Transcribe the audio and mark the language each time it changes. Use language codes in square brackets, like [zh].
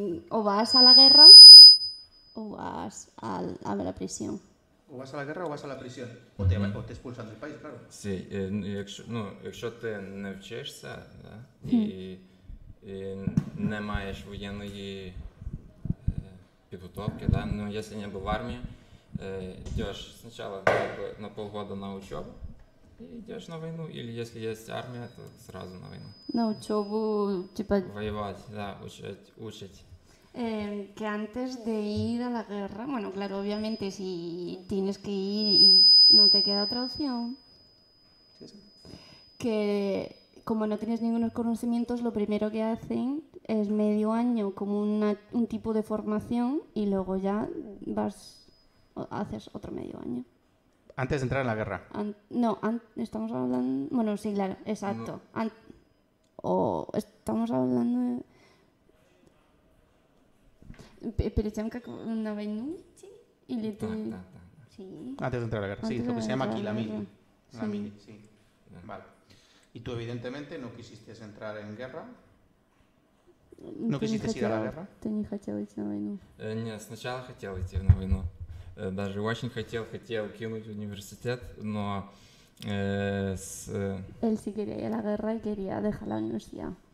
[es] ¿O vas a la guerra o vas a la prisión? ¿O vas a la guerra o vas a la prisión? O te expulsan del país, claro. Sí, [uk] якщо ти не вчишся, да, і не маєш воєнної підготовки, да, ну, якщо не був в армії, йдеш спочатку на полгода на учебу, [ru] идешь на войну, или если есть армия, то сразу на войну. На учебу, типа... Воевать, да, учить. [es] Que antes de ir a la guerra, bueno, claro, obviamente, si tienes que ir y no te queda otra opción. Sí. Que como no tienes ningunos conocimientos, lo primero que hacen es medio año como un tipo de formación y luego ya vas, haces otro medio año. Antes de entrar en la guerra. Estamos hablando... Bueno, sí, claro, exacto. No. Estamos hablando de... Pero se llama una venuti y le tiene... Sí. Antes de entrar en la guerra, sí. Lo que se llama aquí, la mili. La mili, sí. Vale. Y tú, evidentemente, no quisiste entrar en guerra. ¿No quisiste ir a la guerra? Tenía que ir a la guerra. No, [ru] сначала хотел идти на войну. Даже очень хотел кинуть университет, но... [es] Él sí quería ir a la guerra y quería dejar la universidad.